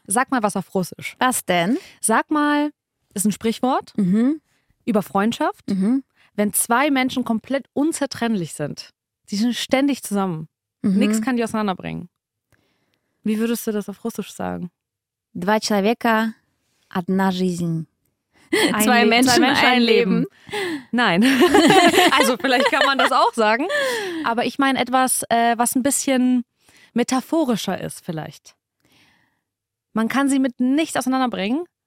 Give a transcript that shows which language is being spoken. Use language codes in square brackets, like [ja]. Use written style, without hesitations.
[de] Sag mal was auf Russisch. Was denn? Sag mal, ist ein Sprichwort über Freundschaft. Mhm. Wenn zwei Menschen komplett unzertrennlich sind, sie sind ständig zusammen, nichts kann die auseinanderbringen. Wie würdest du das auf Russisch sagen? [ru] Два человека, одна жизнь. [de] Zwei Menschen, ein Leben. Nein. Also vielleicht kann man das auch sagen. Aber ich meine etwas, was ein bisschen metaphorischer ist vielleicht. Man kann sie mit nichts auseinanderbringen.